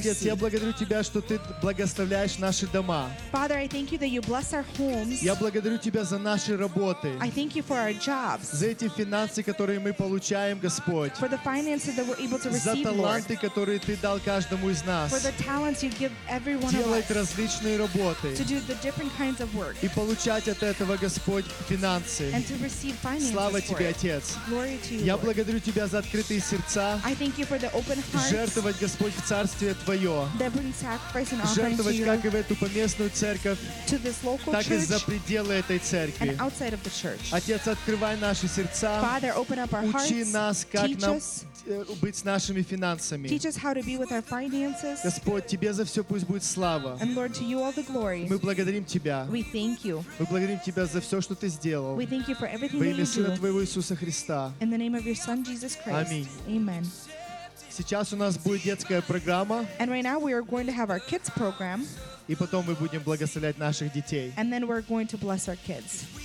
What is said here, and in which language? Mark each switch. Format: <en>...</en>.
<ru>Отец, я благодарю Тебя, что Ты благословляешь наши дома.</ru> <en>Father, I thank you that you bless our homes.</en> <ru>Я благодарю Тебя за наши работы.</ru> <en>I thank you for our jobs.</en> <ru>За эти финансы, которые мы получаем, Господь.</ru> <en>For the finances that we're able to receive,</en> <ru>за таланты, которые Ты дал каждому из нас.</ru> <en>For the talents you give every one of us.</en> <ru>Делать различные работы.</ru> <en>To do the different kinds of work.</en> <ru>И получать от этого, Господь, финансы.</ru> <en>And to receive finances.</en> <ru>Слава Тебе. Тебе, Отец. Я благодарю Тебя за открытые сердца. Жертвовать, Господь, в Царствие Твое. Жертвовать как и в эту поместную церковь, так и за пределы этой церкви. Отец, открывай наши сердца.</ru> <en>Father, open up our hearts.</en> <ru>Учи нас, как нам быть с нашими финансами.</ru> <en>Teach us how to be with our finances.</en> <ru>Господь, Тебе за все пусть будет слава.</ru> <en>And Lord, to you all the glory.</en> <ru>Мы благодарим Тебя.</ru> <en>We thank you.</en> <ru>Мы благодарим Тебя за все, что Ты сделал.</ru> <en>We thank you for everything that you do.</en> <ru>Во имя Сына Твоего Иисуса Христа.</ru> <en>In the name of your Son, Jesus Christ.</en> <ru>Аминь.</ru> <en>Amen.</en> <ru>Сейчас у нас будет детская программа.</ru> <en>And right now we are going to have our kids program.</en> <ru>И потом мы будем благословлять наших детей.</ru> <en>And then we're going to bless our kids.</en>